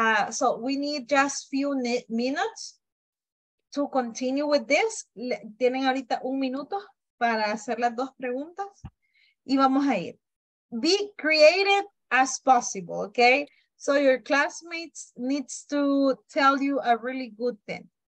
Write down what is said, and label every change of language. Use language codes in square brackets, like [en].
[en] So we need just few minutes to continue with this. [es] Tienen ahorita un minuto para hacer las dos preguntas y vamos a ir. [en] Be creative as possible, okay? So your classmates needs to tell you a really good thing.